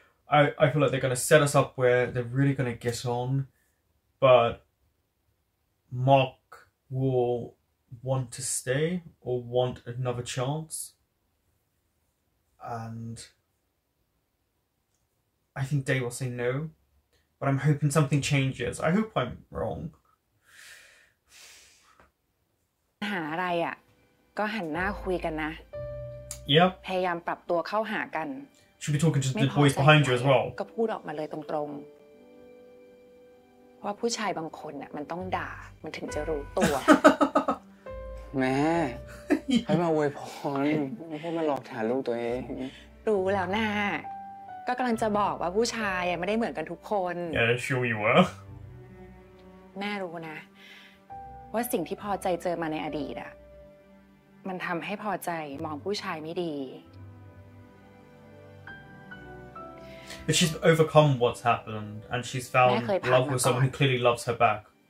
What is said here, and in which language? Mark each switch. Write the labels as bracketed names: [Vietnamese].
[English] I feel like they're gonna set us up where they're really gonna get on, but Mok will want to stay or want another chance. And... I think Day will say no, but I'm hoping something changes. I hope I'm wrong. [Thai] หาอะไรอ่ะก็หันหน้าคุยกันนะ [English] Yep. [Thai] พยายามปรับตัวเข้าหากัน [English] Should be talking to the boys behind you as well. [Thai] ก็พูดออกมาเลยตรงๆเพราะผู้ชายบางคนอ่ะมันต้องด่ามันถึงจะรู้ตัว แม่ให้มาอวยพรไม่ให้มาหลอกฐานลูกตัวเอง รู้แล้วนะก็กำลังจะบอกว่าผู้ชายไม่ได้เหมือนกันทุกคน [English] Yeah, that's true you were. [Thai] แม่รู้นะว่าสิ่งที่พอใจเจอมาในอดีตอ่ะมันทำให้พอใจมองผู้ชายไม่ดี [English] But she's overcome what's happened and she's found love with someone who clearly loves her back.